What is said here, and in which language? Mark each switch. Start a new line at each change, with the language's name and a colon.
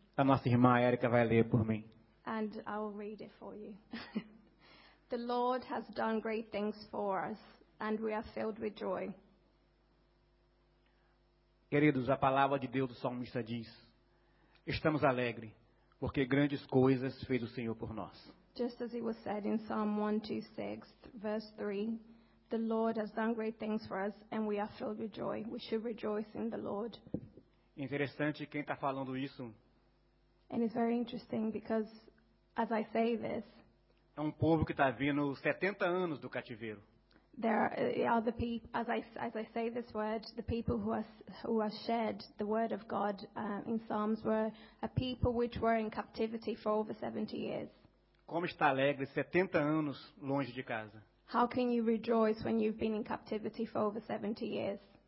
Portuguese: A nossa irmã Erika vai ler por mim.
English: And I'll read it for you. The Lord has done great things for us, and we are filled with joy.
Portuguese: Queridos, a palavra de Deus do salmista diz: estamos alegres, porque grandes coisas fez o Senhor por nós.
English: Just as it was said in Psalm 126, verse 3, the Lord has done great things for us, and we are filled with joy. We should rejoice in the Lord.
Portuguese: Interessante quem está falando isso.
English: And it's very interesting because, as I say this,
Portuguese: é um povo que está vindo 70 anos do cativeiro.
English: There are the people, as I say this word, the people who are shared the word of God in Psalms were a people which were in captivity for over 70 years.
Portuguese: Como está alegre 70 anos longe de casa?
English: How can you rejoice when you've been in captivity for over 70 years?